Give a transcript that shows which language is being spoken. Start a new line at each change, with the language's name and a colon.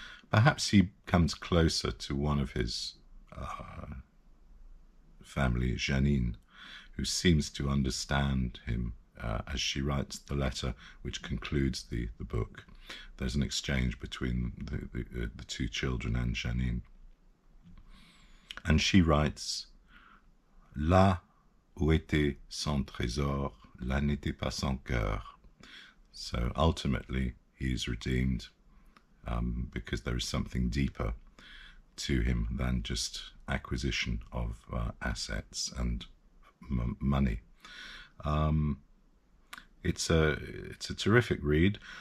English: Perhaps he comes closer to one of his family, Jeannine, who seems to understand him as she writes the letter which concludes the book. There's an exchange between the two children and Jeannine. And she writes,
French: "Là où était son trésor, là n'était pas son cœur."
English: So ultimately, he is redeemed because there is something deeper to him than just acquisition of assets and money. It's a terrific read.